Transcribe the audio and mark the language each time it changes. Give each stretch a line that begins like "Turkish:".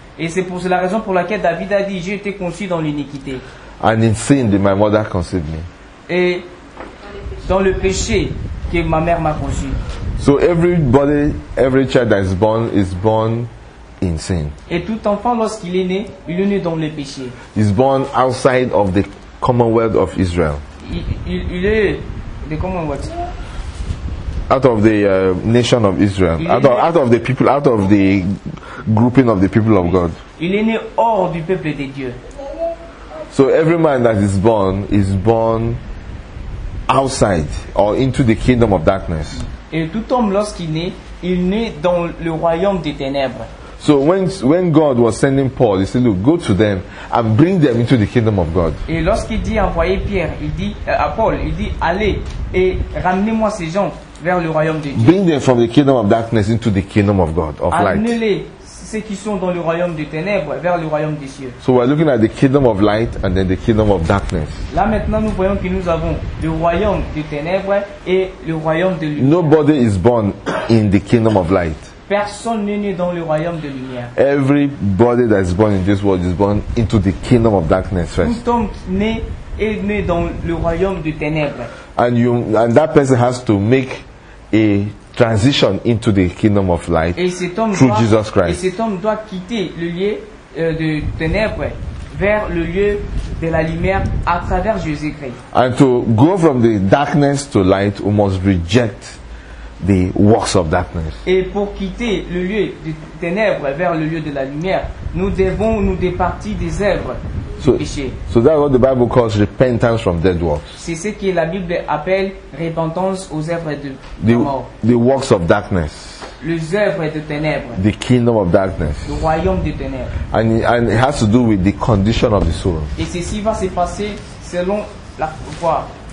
French: Et c'est la raison pour laquelle David a dit, j'ai été conçu dans l'iniquité.
English: And in sin that my mother conceived me.
French: Et dans le péché que ma mère m'a conçu.
English: So everybody, every child that is born in sin.
French: Et tout enfant lorsqu'il est né, il est né dans le péché.
English: Is born outside of the commonwealth of Israel.
French: Il est
English: the commonwealth. Out of the nation of Israel, out of the people, out of the grouping of the people of God.
French: Il est né hors du peuple de Dieu.
English: So every man that is born outside or into the kingdom of darkness.
French: Et tout homme lorsqu'il naît, il naît dans le royaume des ténèbres.
English: So when God was sending Paul, he said, "Look, go to them and bring them into the kingdom of God."
French: Et lorsqu'il dit envoyer Pierre, il dit à Paul, il dit allez et ramenez-moi ces gens. Vers le royaume de Dieu.
English: Bring them from the kingdom of darkness into the kingdom of God of light.
French: Amenez-les, ceux qui sont dans le royaume des ténèbres vers le royaume des cieux.
English: So we're looking at the kingdom of light and then the kingdom of darkness.
French: Là maintenant nous voyons que nous avons le royaume des ténèbres et le royaume de lumière.
English: Nobody is born in the kingdom of light.
French: Personne n'est né dans le royaume de lumière.
English: Everybody that is born in this world is born into the kingdom of darkness first.
French: Tout homme né est né dans le royaume des ténèbres.
English: And you and that person has to make a transition into the kingdom of light through
French: doit,
English: Jesus Christ.
French: Et cet homme doit quitter le lieu de ténèbres vers le lieu de la lumière à travers Jésus-Christ.
English: And to go from the darkness to light, we must reject the works of darkness.
French: Et pour quitter le lieu de ténèbres vers le lieu de la lumière, nous devons nous départir des œuvres.
English: So that's what the Bible calls repentance from dead works.
French: C'est ce que la Bible appelle repentance aux œuvres de mort.
English: The works of darkness.
French: Les œuvres de ténèbres.
English: The kingdom of darkness.
French: Le royaume de ténèbres.
English: And it has to do with the condition of the soul.
French: Et ceci va se passer selon la foi.